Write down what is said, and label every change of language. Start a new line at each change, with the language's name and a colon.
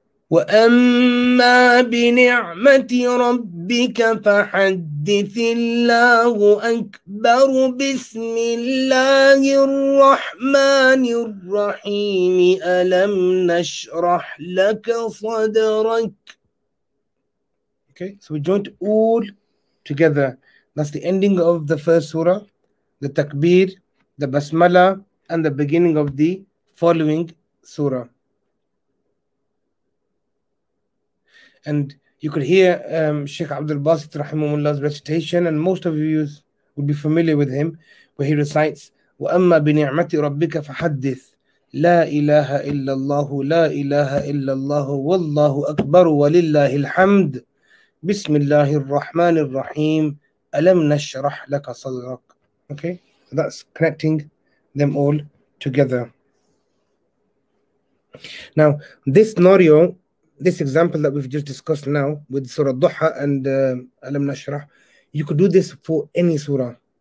Arabic: وَأَمَّا بِنِعْمَةِ رَبِّكَ فَحَدِّثِ اللَّهُ أَكْبَرُ بِسْمِ اللَّهِ الرَّحْمَنِ الرَّحِيمِ أَلَمْ نَشْرَحْ لَكَ صَدْرَكَ.
English: Okay, so we joined all together. That's the ending of the first surah, the takbir, the basmala, and the beginning of the following surah. And you could hear Sheikh Abdul Basit Rahimahullah's recitation, and most of you would be familiar with him, where he recites,
Arabic: وَأَمَّا بِنِعْمَةِ رَبِّكَ فَحَدِّثْ لَا إِلَهَ إِلَّا اللَّهُ لَا إِلَهَ إِلَّا اللَّهُ وَاللَّهُ أَكْبَرُ وَلِلَّهِ الْحَمْدِ بِسْمِ اللَّهِ الرَّحْمَنِ الرَّحِيمِ أَلَمْ نَشْرَحْ لَكَ صَدْرَكَ.
English: Okay, so that's connecting them all together. Now, this scenario, this example that we've just discussed now with Surah Duha and Alam Nashrah, you could do this for any surah.